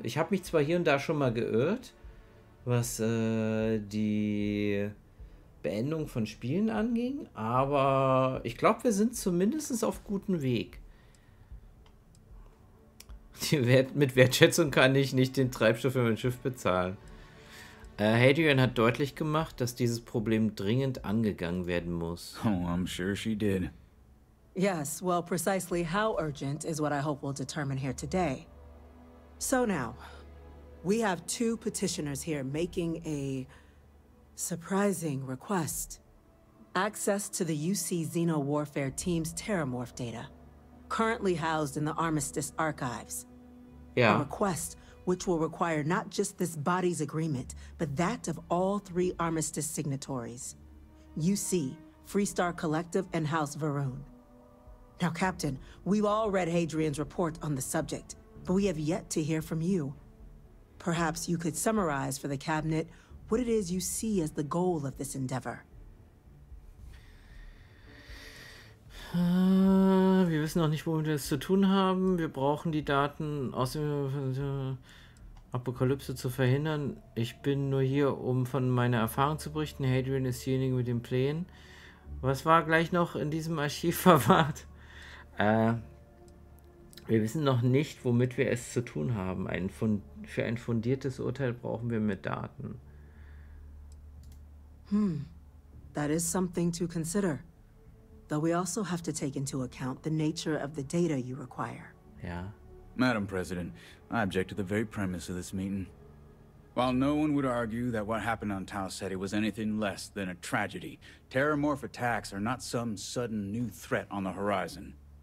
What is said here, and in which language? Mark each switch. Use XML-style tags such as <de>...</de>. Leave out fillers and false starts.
<de>Ich habe mich zwar hier und da schon mal geirrt, was die Beendung von Spielen anging, aber ich glaube, wir sind zumindest auf gutem Weg. Mit Wertschätzung kann ich nicht den Treibstoff für mein Schiff bezahlen. Hadrian hat deutlich gemacht, dass dieses Problem dringend angegangen werden muss.</de> <en>Oh, I'm sure she did. Yes, well, precisely how urgent is what I hope we'll determine here today. So now, we have two petitioners here making a surprising request. Access to the UC Xenowarfare team's Terramorph data, currently housed in the Armistice archives. Yeah. A request which will require not just this body's agreement, but that of all three Armistice signatories. UC, Freestar Collective, and House Varun. Now, Captain, we've all read Hadrian's report on the subject, but we have yet to hear from you. Perhaps you could summarize for the Cabinet what it is you see as the goal of this endeavor.</en> <de>Wir wissen noch nicht, womit wir es zu tun haben. Wir brauchen die Daten aus dem Apokalypse zu verhindern. Ich bin nur hier, um von meiner Erfahrung zu berichten. Hadrian ist diejenige mit den Plänen. Was war gleich noch in diesem Archiv verwahrt? Wir wissen noch nicht, womit wir es zu tun haben. Für ein fundiertes Urteil brauchen wir mehr Daten.</de> <en>That is something to consider. Though we also have to take into account the nature of the data you require. Yeah. Madam President, I object to the very premise of this meeting. While no one would argue that what happened on Tau Ceti was anything less than a tragedy, Terramorph attacks are not some sudden new threat on the horizon.</en>